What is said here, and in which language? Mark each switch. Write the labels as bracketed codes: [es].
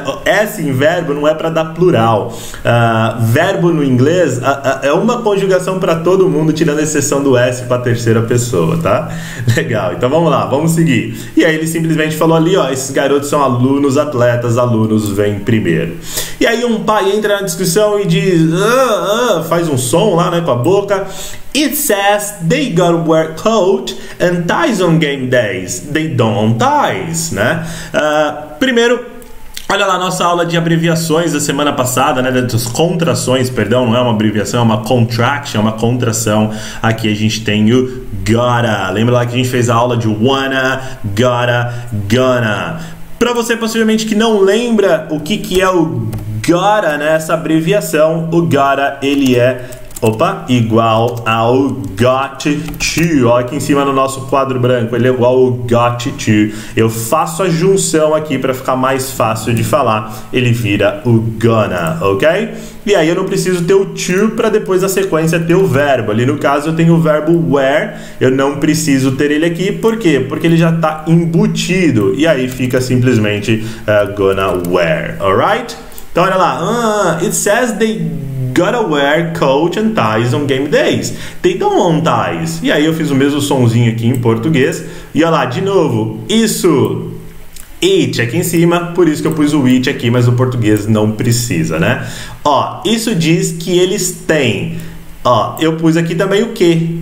[pt] S em verbo não é para dar plural. Verbo no inglês é uma conjugação para todo mundo, tirando a exceção do S para terceira pessoa, tá? Legal. Então vamos lá, vamos seguir. E aí ele simplesmente falou ali, ó, esses garotos são alunos, atletas, alunos vêm primeiro. E aí um pai entra na discussão e diz, faz um som lá, né, com a boca. [en] It says they gotta wear coat and ties on game days. They don't ties, né? [pt] Primeiro, olha lá a nossa aula de abreviações da semana passada, né? Das contrações, perdão, não é uma abreviação, é uma contraction, é uma contração. Aqui a gente tem o gotta. Lembra lá que a gente fez a aula de wanna, gotta, gonna. Pra você, possivelmente, que não lembra o que é o gotta, né? Essa abreviação, o gotta, ele é Opa, igual ao got to. Olha aqui em cima no nosso quadro branco, ele é igual ao got to. Eu faço a junção aqui para ficar mais fácil de falar. Ele vira o gonna, ok? E aí eu não preciso ter o to para depois da sequência ter o verbo. Ali no caso eu tenho o verbo wear, eu não preciso ter ele aqui. Por quê? Porque ele já está embutido. E aí fica simplesmente [en] gonna wear, [pt] alright? Então olha lá. [en] It says they gotta wear coat and ties on game days. They don't own ties. [pt] E aí eu fiz o mesmo sonzinho aqui em português. E olha lá, de novo. Isso. It aqui em cima. Por isso que eu pus o it aqui, mas o português não precisa, né? Ó, isso diz que eles têm. Ó, eu pus aqui também o que?